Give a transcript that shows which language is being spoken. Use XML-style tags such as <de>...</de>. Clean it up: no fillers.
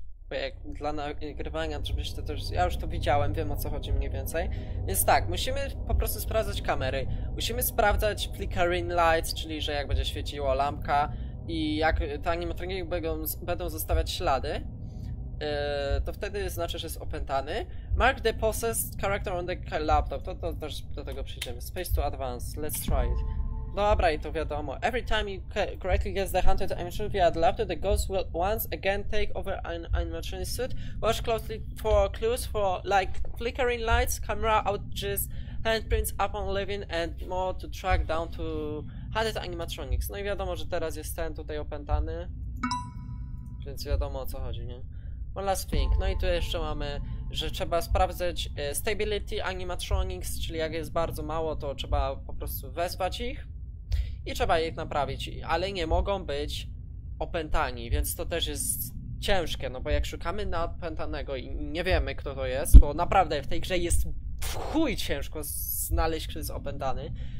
<pl>Bo jak dla nagrywania, żebyście to już, ja już to widziałem, wiem o co chodzi mniej więcej. Więc tak, musimy po prostu sprawdzać kamery. Musimy sprawdzać flickering lights, czyli że jak będzie świeciła lampka i jak te animatroniki będą zostawiać ślady, to wtedy znaczy, że jest opętany.</pl> <en>Mark the possessed character on the laptop.</en> <pl>To też do tego przyjdziemy.</pl> <en>Space to advance, let's try it.</en> <pl>Dobra, i to wiadomo.</pl> <en>Every time you correctly guess the hunted animatronic via the laptop, the ghost will once again take over an animatronic suit. Watch closely for clues for like flickering lights, camera outages, handprints upon leaving and more to track down to hunted animatronics.</en> <pl>No i wiadomo, że teraz jest ten tutaj opętany. Więc wiadomo, o co chodzi, nie?</pl> <en>One last thing.</en> <pl>No i tu jeszcze mamy, że trzeba sprawdzać stability animatronics, czyli jak jest bardzo mało, to trzeba po prostu wezwać ich. I trzeba je naprawić, ale nie mogą być opętani, więc to też jest ciężkie, no bo jak szukamy opętanego i nie wiemy kto to jest, bo naprawdę w tej grze jest w chuj ciężko znaleźć, kto jest opętany.</pl>